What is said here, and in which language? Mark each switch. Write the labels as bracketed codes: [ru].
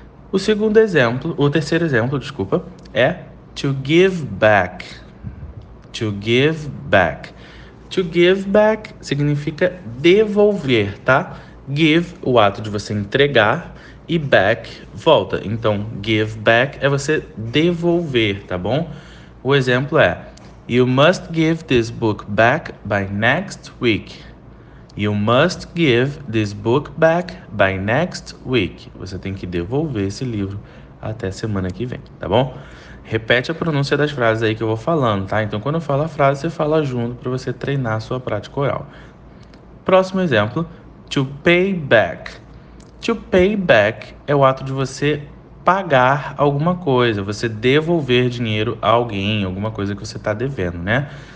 [pt] O segundo exemplo, o terceiro exemplo, desculpa, é to give back. To give back. To give back significa devolver, tá? Give, o ato de você entregar, e back, volta. Então, give back é você devolver, tá bom? [en] O exemplo é: you must give this book back by next week. You must give this book back by next week. [pt] Você tem que devolver esse livro até semana que vem, tá bom? Repete a pronúncia das frases aí que eu vou falando, tá? Então, quando eu falo a frase, você fala junto para você treinar a sua prática oral. Próximo exemplo: to pay back. To pay back é o ato de você pagar alguma coisa, você devolver dinheiro a alguém, alguma coisa que você está devendo, né?